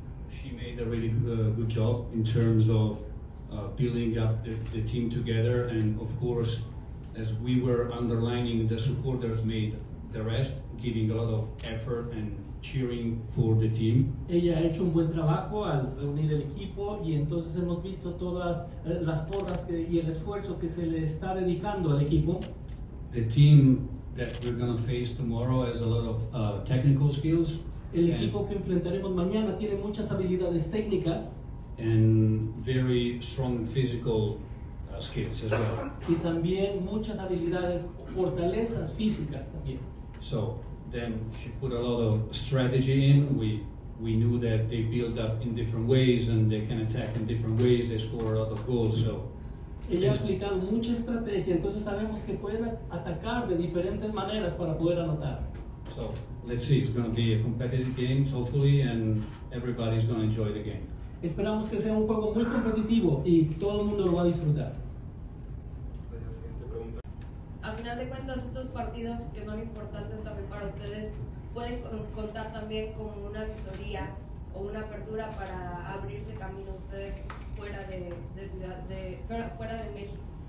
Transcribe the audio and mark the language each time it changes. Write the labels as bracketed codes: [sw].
[en] She made a really good job in terms of building up the team together, and of course, as we were underlining, the supporters made the rest, giving a lot of effort and cheering for the team. [es] Ella ha hecho un buen trabajo al reunir el equipo, y entonces hemos visto todas las porras y el esfuerzo que se le está dedicando al equipo. [en] The team that we're going to face tomorrow has a lot of technical skills. [es] El equipo que enfrentaremos mañana tiene muchas habilidades técnicas. [en] And very strong physical skills as well. [es] Y también muchas habilidades, fortalezas físicas también. [en] So then she put a lot of strategy in. We knew that they build up in different ways and they can attack in different ways. They score a lot of goals. So [es] ella ha explicado mucha estrategia. Entonces sabemos que pueden atacar de diferentes maneras para poder anotar. [en] So let's see. It's going to be a competitive game, hopefully, and everybody's going to enjoy the game. [es] Esperamos que sea un juego muy competitivo y todo el mundo lo va a disfrutar. A final de cuentas, estos partidos que son importantes también para ustedes pueden contar también con una visoría o una apertura para abrirse camino ustedes fuera de México.